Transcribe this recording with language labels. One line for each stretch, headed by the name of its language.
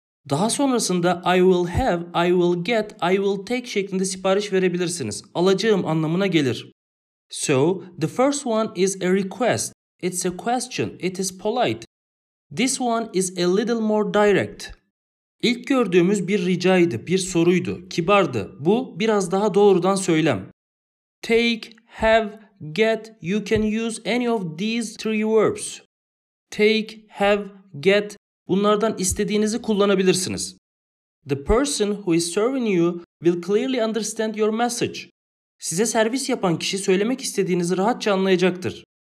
Turkish: Daha sonrasında
English: I will have, I will get, I will take
Turkish: şeklinde sipariş verebilirsiniz. Alacağım anlamına gelir.
English: So, the first one is a request. It's a question. It is polite. This one is a little more direct.
Turkish: İlk gördüğümüz bir ricaydı, bir soruydu, kibardı. Bu biraz daha doğrudan söylem.
English: Take, have, get, you can use any of these three verbs. Take, have, get.
Turkish: Bunlardan istediğinizi kullanabilirsiniz.
English: The person who is serving you will clearly understand your message.
Turkish: Size servis yapan kişi söylemek istediğinizi rahatça anlayacaktır.